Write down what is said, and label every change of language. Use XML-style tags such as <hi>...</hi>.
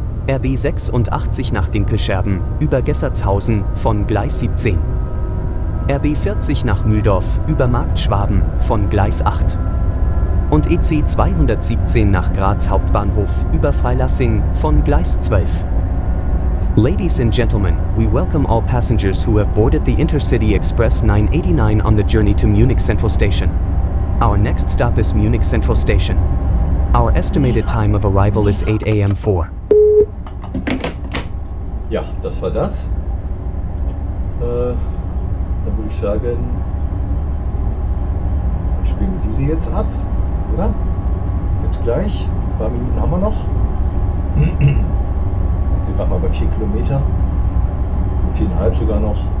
<de>RB 86 nach Dinkelscherben, über Gessertshausen, von Gleis 17. RB 40 nach Mühldorf, über Marktschwaben, von Gleis 8. Und EC 217 nach Graz Hauptbahnhof, über Freilassing, von Gleis 12.</de> <en>Ladies and gentlemen, we welcome all passengers who have boarded the Intercity Express 989 on the journey to Munich Central Station. Our next stop is Munich Central Station. Our estimated time of arrival is 8 a.m. 4.</en> <de>Ja, das war das. Dann würde ich sagen, dann spielen wir diese jetzt ab, oder? Jetzt gleich. Ein paar Minuten haben wir noch. Sind gerade mal bei 4 Kilometer. 4,5 sogar noch.</de>